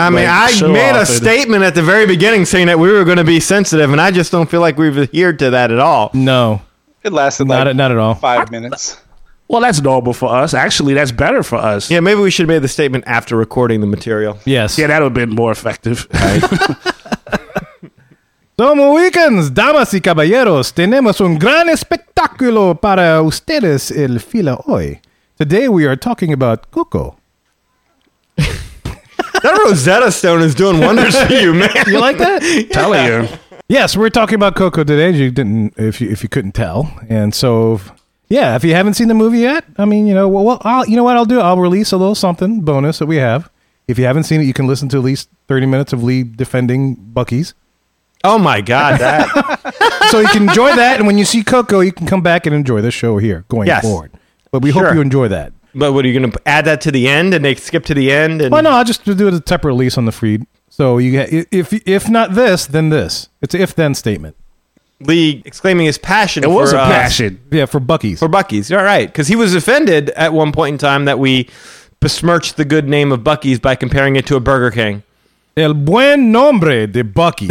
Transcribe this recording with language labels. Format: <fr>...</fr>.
<en>I made a statement at the very beginning saying that we were going to be sensitive, and I just don't feel like we've adhered to that at all. No. It lasted not at all, five minutes. Well, that's normal for us. Actually, that's better for us. Yeah, maybe we should have made the statement after recording the material. Yes. Yeah, that would have been more effective.</en> <es>Somos weekends, damas y caballeros. Tenemos un gran espectáculo para ustedes el fila hoy.</es> <en>Today we are talking about Coco. That Rosetta Stone is doing wonders for you, man. You like that? Telling you. Yes, we're talking about Coco today. If you couldn't tell, and so yeah, if you haven't seen the movie yet, I mean, you know, I'll do. I'll release a little something bonus that we have. If you haven't seen it, you can listen to at least 30 minutes of Lee defending Bucky's. Oh my God! That. So you can enjoy that, and when you see Coco, you can come back and enjoy the show here going forward. But we hope you enjoy that. But what are you going to add that to the end and they skip to the end? And well, no, I'll just do a separate release on the feed. So you get, if not this, then this. It's an if then statement. Lee exclaiming his passion. It was a passion. Yeah, for Bucky's. For Bucky's. All right. Because he was offended at one point in time that we besmirched the good name of Bucky's by comparing it to a Burger King.</en> <es>El buen nombre de Bucky's.</es>